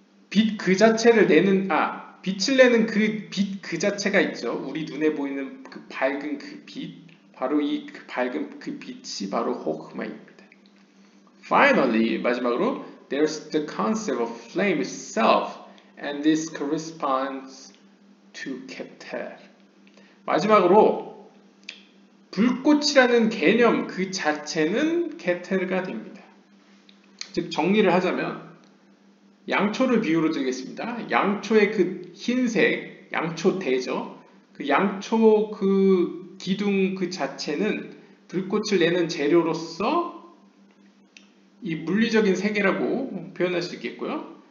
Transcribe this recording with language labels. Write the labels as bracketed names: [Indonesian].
[Korean] 빛 그 자체를 내는, 빛을 내는 그 빛 그 자체가 있죠. 우리 눈에 보이는 그 밝은 그 빛, 바로 이 그 밝은 그 빛이 바로 호흐마입니다. [English] Finally, [Korean] 마지막으로, [English] there's the concept of flame itself, and this corresponds to Keter. [Korean] 마지막으로, 불꽃이라는 개념 그 자체는 Keter가 됩니다. 즉, 정리를 하자면, 양초를 비유로 드리겠습니다. 양초의 그 흰색, 양초대죠. 그 양초 그 기둥 그 자체는 불꽃을 내는 재료로서 이 물리적인 세계라고 표현할 수 있겠고요.